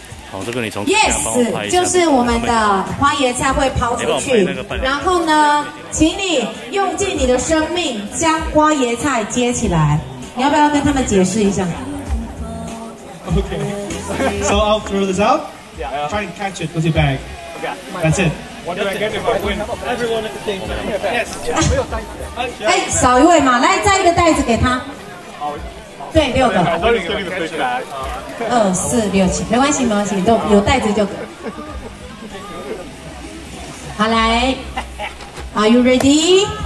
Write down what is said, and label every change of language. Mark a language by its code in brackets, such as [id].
[zh] 好，这个你从 [en] yes， [zh] 就是我们的花椰菜会抛出去，然后呢，请你用尽你的生命将花椰菜接起来，你要不要跟他们解释一下 [en] ？OK， so I'll throw this out。 Yeah, try and catch it with your bag. Okay, that's it. What do I get if I win? Everyone at the same time. Yes. [zh] 哎、 [en] yeah. [zh] 欸，少一位嘛，来，再一个袋子给他。对，六个。二四六七，没关系，没关系，都有袋子就可以。好，来 [en] ，Are you ready?